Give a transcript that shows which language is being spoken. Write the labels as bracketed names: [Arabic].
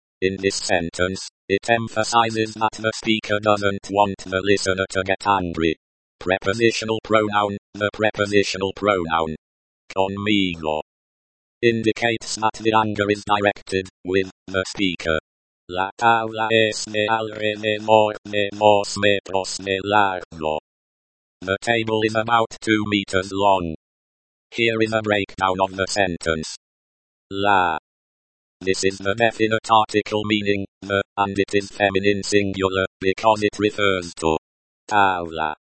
[English] In this sentence, it emphasizes that the speaker doesn't want the listener to get angry. Prepositional pronoun, the prepositional pronoun, conmigo, indicates that the anger is directed, with, the speaker. [Spanish] La tabla es de alrededor de dos metros de largo. [English] The table is about 2 meters long. Here is a breakdown of the sentence. La. This is the definite article meaning, the, and it is feminine singular, because it refers to tabla.